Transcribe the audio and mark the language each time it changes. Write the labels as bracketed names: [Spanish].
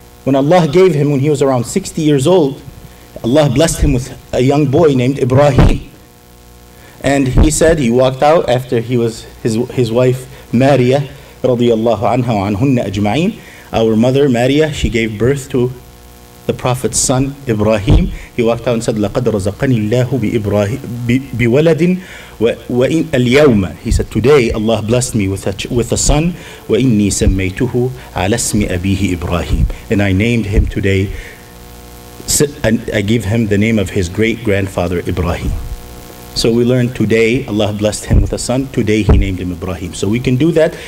[English] When Allah gave him, when he was around 60 years old, Allah blessed him with a young boy named Ibrahim. And he said, he walked out after he was his wife, Maria, radiallahu anha wa anhunna ajma'in. Our mother, Maria, she gave birth to the Prophet's son, Ibrahim. He walked out and said, [Arabic] لَقَدْ رَزَقَنِ اللَّهُ بِوَلَدٍ وَإِنْ الْيَوْمَ. [English] He said, today Allah blessed me with a son, [Arabic] وَإِنِّي سَمَّيْتُهُ عَلَى اسْمِ أَبِيهِ إِبْرَاهِيمِ. [English] And I named him today, and I gave him the name of his great-grandfather, Ibrahim. So we learned today, Allah blessed him with a son. Today he named him Ibrahim. So we can do that.